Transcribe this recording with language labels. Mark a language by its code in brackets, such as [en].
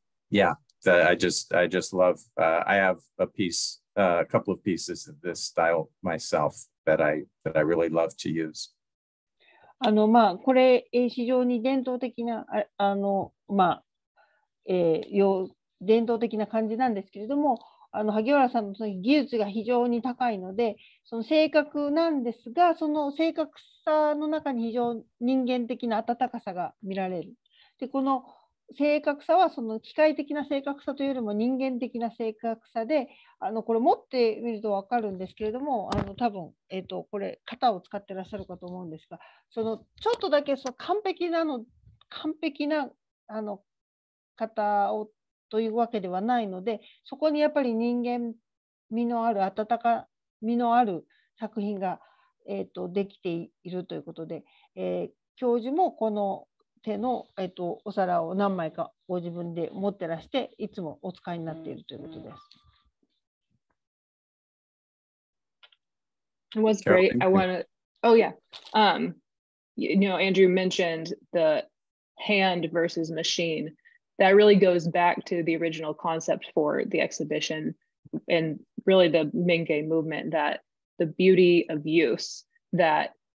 [en] Yeah, I just love, I have a piece, a couple of pieces of this style myself that I really love to use. [ja] あの、まあ、これ、非常に伝統的な、あの、まあ、伝統的な感じなんですけれども、あの、萩原さんの技術が非常に高いので、その正確なんですが、その正確さの中に非常に人間的な温かさが見られる。で、この、正確さはその機械的な正確さというよりも人間的な正確さで、あのこれ持ってみると分かるんですけれども、あの多分、これ型を使ってらっしゃるかと思うんですが、そのちょっとだけその完璧なあの型をというわけではないので、そこにやっぱり人間味のある温かみのある作品が、できているということで、教授もこの手の、お皿を何枚かご自分で持ってらしていつもお使いになっているということです。 [en] It was great. I want to. Oh yeah. You know, Andrew mentioned the hand versus machine, that really goes back to the original concept for the exhibition and really the Mingei movement, that the beauty of use, that